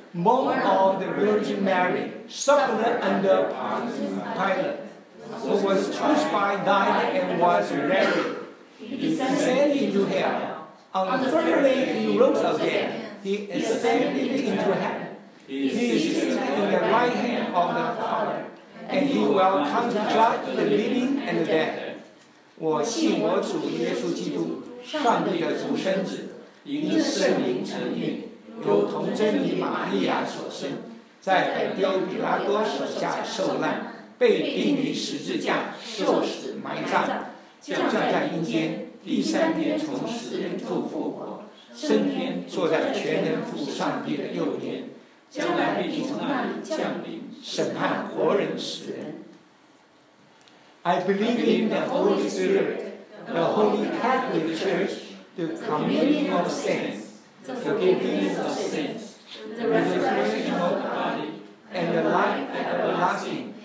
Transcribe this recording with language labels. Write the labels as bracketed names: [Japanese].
[English] Born of the Virgin Mary, suffered under Pontius Pilate, who was crucified, died, and was buried. He descended into hell. On the third day, he rose again. He ascended into heaven. He is seated in the right hand of the Father, and he will come to judge the living and the dead. [Chinese] 我信我主耶稣基督，上帝的独生子，因圣灵成孕。由童贞女玛利亚所生，在本丢比拉多手下受难，被钉于十字架，受死埋葬，降在阴间，第三天从死人处复活，升天坐在全能父上帝的右边，将来必从那里降临审判活人死人。 [English] I believe in the Holy Spirit, the Holy Catholic Church, the communion of saints, the forgiveness of sins, the resurrection of the body, and the life everlasting.